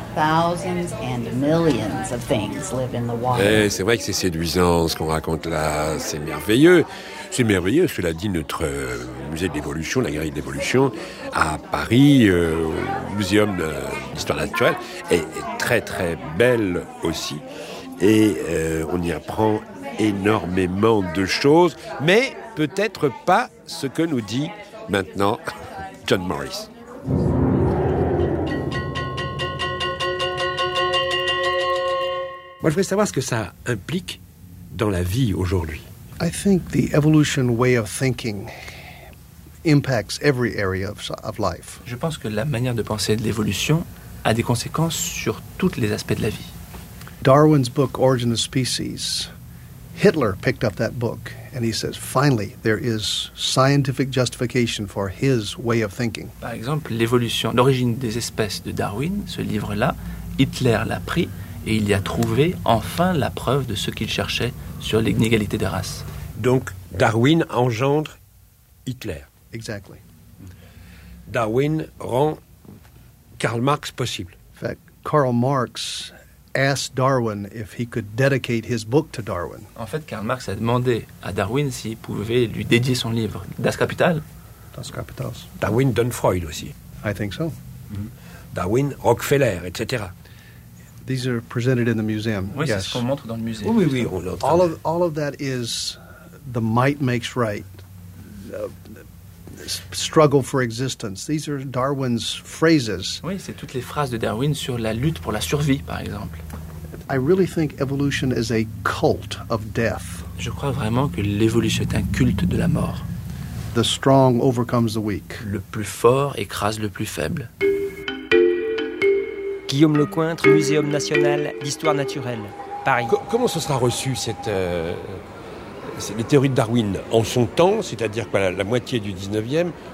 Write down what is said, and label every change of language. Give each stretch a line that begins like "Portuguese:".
English: Thousands and millions of things live in the water.
French: C'est vrai que c'est séduisant ce qu'on raconte là, c'est merveilleux. C'est merveilleux, cela dit, notre musée d'évolution, la galerie d'évolution, à Paris, au muséum d'histoire naturelle, est très très belle aussi. Et on y apprend énormément de choses, mais peut-être pas ce que nous dit maintenant John Morris. Moi, je voudrais savoir ce que ça implique dans la vie aujourd'hui.
English: I think the evolution way of thinking impacts every area of life.
French: Je pense que la manière de penser de l'évolution a des conséquences sur tous les aspects de la vie.
English: Darwin's book Origin of Species. Hitler picked up that book and he says finally there is scientific justification for his way of thinking.
French: Par exemple, l'évolution, l'origine des espèces de Darwin, ce livre-là, Hitler l'a pris et il y a trouvé enfin la preuve de ce qu'il cherchait sur l'inégalité des races. Donc, Darwin engendre Hitler.
English: Exactly.
French: Darwin rend Karl Marx possible.
English: In fact, Karl Marx asked Darwin if he could dedicate his book to Darwin.
French: En fait, Karl Marx a demandé à Darwin s'il pouvait lui dédier son livre, Das Kapital. Das Kapital. Darwin donne Freud aussi.
English: I think so. Darwin, Rockefeller, etc. These are presented in the museum.
French: Oui,
English: yes.
French: C'est ce qu'on montre dans le musée. Oui, on l'a entendu.
English: All of that is the might makes right, struggle for existence. These are Darwin's phrases.
French: Oui, c'est toutes les phrases de Darwin sur la lutte pour la survie, par exemple.
English: I really think evolution is a cult of death.
French: Je crois vraiment que l'évolution est un culte de la mort.
English: The strong overcomes the weak.
French: Le plus fort écrase le plus faible. Guillaume Lecointre, Muséum national d'histoire naturelle, Paris. Comment ce sera reçu, les théories de Darwin en son temps, c'est-à-dire quoi, la moitié du 19e ?